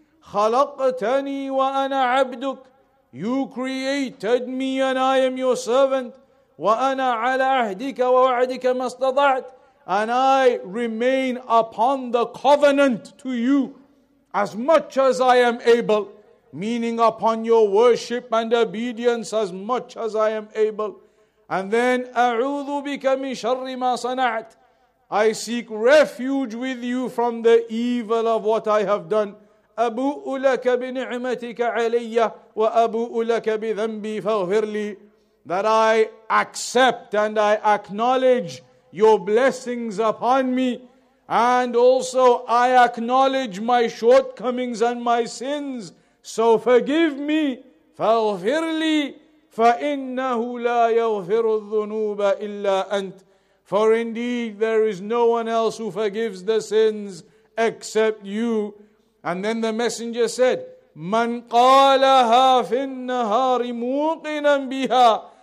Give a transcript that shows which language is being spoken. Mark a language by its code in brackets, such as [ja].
[ar] Khalaqtani wa ana abduk. [en] You created me and I am your servant. [ar] Wa ana ala ahdika wa wa'dika mastata'tu. [en] And I remain upon the covenant to you as much as I am able, meaning upon your worship and obedience as much as I am able. And then, [ar] أعوذ بك من شر ما صنعت. [en] I seek refuge with you from the evil of what I have done. [ar] أبوء لك بنعمتك علي وأبوء لك بذنبي فاغفر لي. [en] That I accept and I acknowledge your blessings upon me, and also I acknowledge my shortcomings and my sins. So forgive me, [ar] فاغفر لي. فإنه لا يغفر الذنوب إلا أنت. [en] For indeed there is no one else who forgives the sins except you. And then the messenger said, [ar] من قالها في النهار موقنا بها.